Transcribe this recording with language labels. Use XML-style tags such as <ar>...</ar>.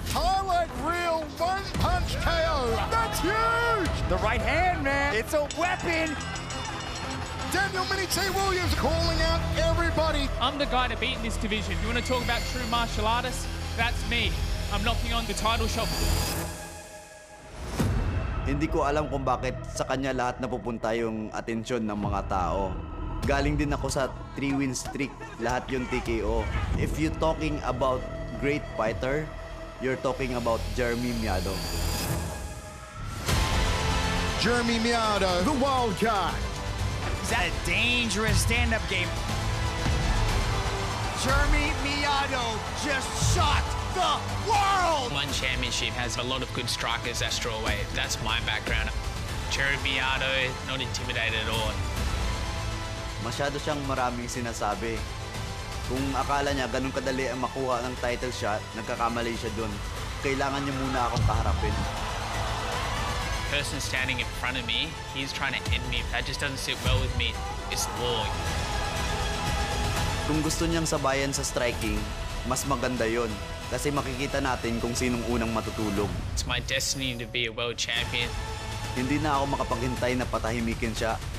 <en>Highlight reel, one punch KO. That's huge! The right hand, man. It's a weapon. Danial Mini T Williams calling out everybody. I'm the guy to beat in this division. You want to talk about true martial artists? That's me. I'm knocking on the title shop.</en> <tl>Hindi ko alam kung bakit sa kanya lahat napupunta yung atensyon ng mga tao. Galing din ako sa 3-win streak, lahat yung TKO.</tl> <en>If you're talking about great fighter, you're talking about Jeremy Miado. Jeremy Miado, the wild card. He's had a dangerous stand-up game. Jeremy Miado just shot the world! One championship has a lot of good strikers at strawweight. That's my background. Jeremy Miado, not intimidated at all.</en> <tl>Masyado siyang maraming sinasabi. Kung akala niya ganun kadali ang makuha ng title shot, nagkakamali siya dun. Kailangan niya muna akong kaharapin.</tl> <en>The person standing in front of me, he's trying to end me. That just doesn't sit well with me. It's war.</en> <tl>Kung gusto niyang sabayan sa striking, mas maganda yun. Kasi makikita natin kung sinong unang matutulog.</tl> <en>It's my destiny to be a world champion.</en> <tl>Hindi na ako makapaghintay na patahimikin siya.</tl>